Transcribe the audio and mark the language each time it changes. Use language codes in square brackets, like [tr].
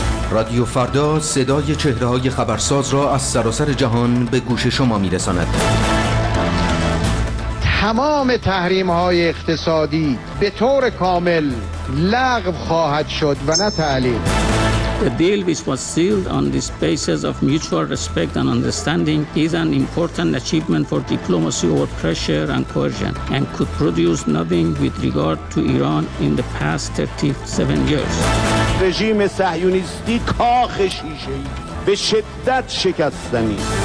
[fa] رادیو فردا صدای چهره های خبرساز را از سراسر جهان به گوش شما میرساند. تمام تحریم های اقتصادی به طور کامل لغو خواهد شد و نه تعلیق. [en] The deal which was sealed on this basis of mutual respect and understanding is an important achievement for diplomacy over pressure and coercion and could produce nothing with regard to Iran in the past 37 years. [fa] رژیم صهیونیستی کاخ شیشه‌ای به شدت شکستنی.